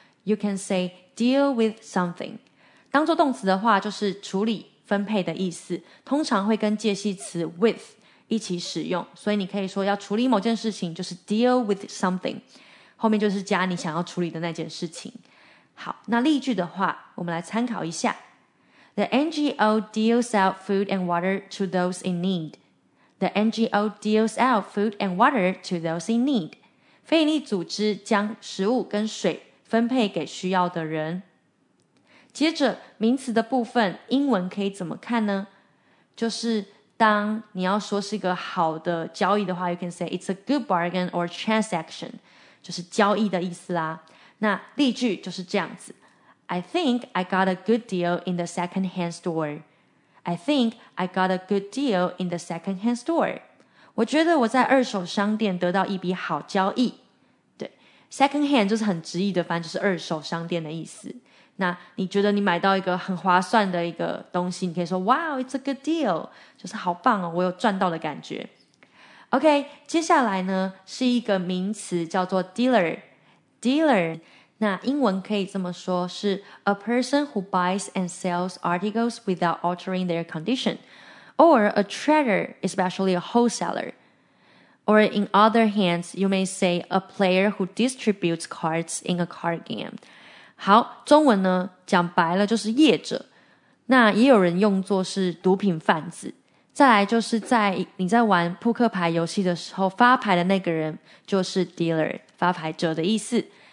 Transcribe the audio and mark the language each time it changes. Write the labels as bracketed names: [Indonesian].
[English] You can say deal with something. [Chinese] 当作动词的话就是处理、分配的意思，通常会跟介系词 with一起使用，所以你可以说要处理某件事情就是 deal with something， 后面就是加你想要处理的那件事情。好，那例句的话我们来参考一下。 [English] The NGO deals out food and water to those in need. The NGO deals out food and water to those in need. [Chinese] 非营利组织将食物跟水分配给需要的人。接着名词的部分英文可以怎么看呢？就是当你要说是一个好的交易的话， [English] You can say it's a good bargain or transaction， [Chinese] 就是交易的意思啦。那例句就是这样子。 [English] I think I got a good deal in the second hand store. I think I got a good deal in the second hand store. [Chinese] 我觉得我在二手商店得到一笔好交易。对， second hand 就是很直译的翻，就是二手商店的意思。那你觉得你买到一个很划算的一个东西，你可以说 [English] Wow, it's a good deal， [Chinese] 就是好棒哦，我有赚到的感觉。 OK， 接下来呢是一个名词叫做 dealer。 [English] dealer [Chinese] 那英文可以这么说，是 [English] a person who buys and sells articles without altering their condition， or a trader, especially a wholesaler， or in other hands you may say a player who distributes cards in a card game。 [Chinese] 好，中文呢讲白了就是业者，那也有人用作是毒品贩子。再来就是在你在玩扑克牌游戏的时候，发牌的那个人就是 dealer， 发牌者的意思。